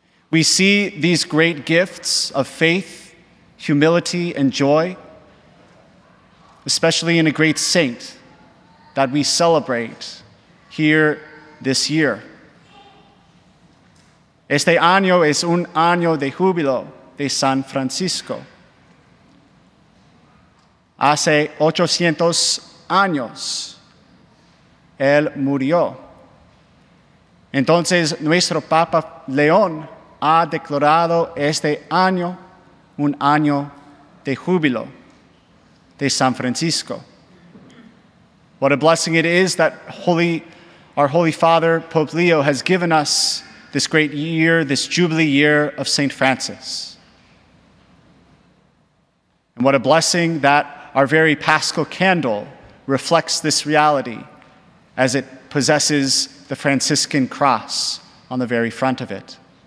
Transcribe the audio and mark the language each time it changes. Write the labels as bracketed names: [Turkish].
[English] We see these great gifts of faith, humility, and joy, especially in a great saint that we celebrate here this year. [Spanish] Este año es un año de júbilo de San Francisco. Hace 800 años, él murió. Entonces, nuestro Papa León ha declarado este año un año de júbilo de San Francisco. [English] What a blessing it is that our Holy Father, Pope Leo, has given us this great year, this jubilee year of St. Francis. And what a blessing that our very Paschal candle reflects this reality as it possesses the Franciscan cross on the very front of it.